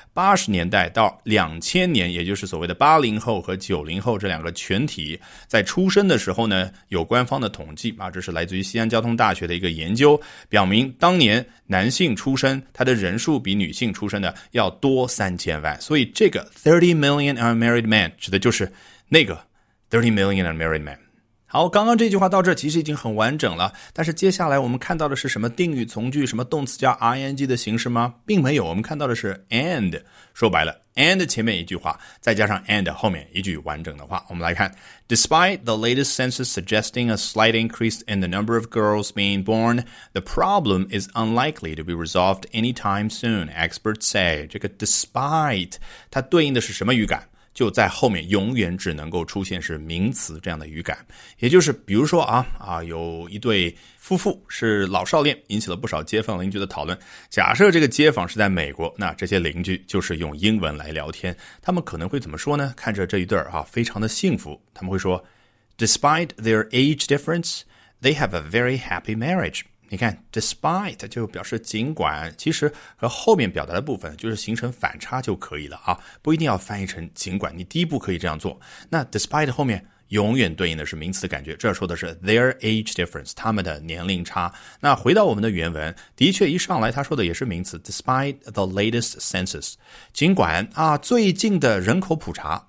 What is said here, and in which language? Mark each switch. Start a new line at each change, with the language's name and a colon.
Chinese: 80年代到2000年，也就是所谓的80后和90后这两个群体在出生的时候呢，有官方的统计，啊，这是来自于西安交通大学的一个研究，表明当年男性出生他的人数比女性出生的要多3000万。所以这个
English: 30 million unmarried men
Chinese: 指的就是那个 30 million unmarried men。好，刚刚这句话到这其实已经很完整了，但是接下来我们看到的是什么定语从句，什么动词加 ing 的形式吗？并没有，我们看到的是 and， 说白了 and 前面一句话再加上 and 后面一句完整的话。我们来看
English: Despite the latest census suggesting a slight increase in the number of girls being born, the problem is unlikely to be resolved anytime soon, experts say。
Chinese: 这个 despite 它对应的是什么语感，就在后面永远只能够出现是名词这样的语感。也就是比如说啊，有一对夫妇是老少恋，引起了不少街坊邻居的讨论。假设这个街坊是在美国，那这些邻居就是用英文来聊天，他们可能会怎么说呢？看着这一对啊，非常的幸福，他们会说
English: Despite their age difference, they have a very happy marriage。
Chinese: 你看 despite 就表示尽管，其实和后面表达的部分就是形成反差就可以了啊，不一定要翻译成尽管，你第一步可以这样做。那 despite 后面永远对应的是名词的感觉，这说的是
English: their age difference，
Chinese: 他们的年龄差。那回到我们的原文，的确一上来他说的也是名词，
English: despite the latest census，
Chinese: 尽管啊最近的人口普查。